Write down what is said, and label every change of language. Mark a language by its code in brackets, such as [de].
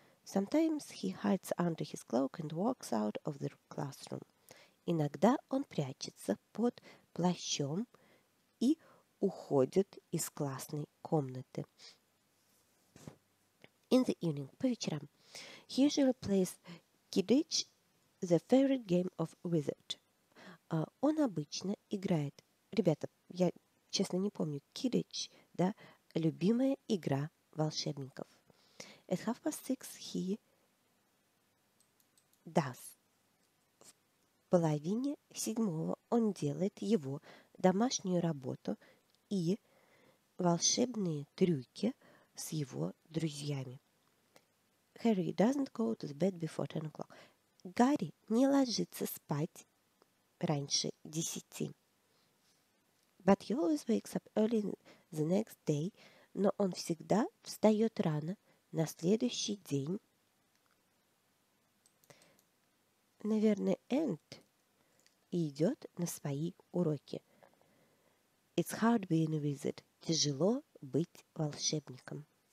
[en] Sometimes he hides under his cloak and walks out of the classroom. [ru] Иногда он прячется под плащом и уходит из классной комнаты. [en] In the evening, [ru] по вечерам, [en] he usually plays Quidditch, the favorite game of wizard. [ru] Он обычно играет. Ребята, я честно не помню, Quidditch, да, любимая игра волшебников. [en] At 6:30 he does. [ru] В половине седьмого он делает его домашнюю работу и волшебные трюки с его друзьями. [en] Harry doesn't go to bed before 10 o'clock. [ru] Гарри не ложится спать раньше 10. [en] But he always wakes up early the next day. [ru] Но он всегда встает рано на следующий день. Наверное, [en] and. [ru] И идет на свои уроки. [en] It's hard being a wizard. [ru] Тяжело быть волшебником.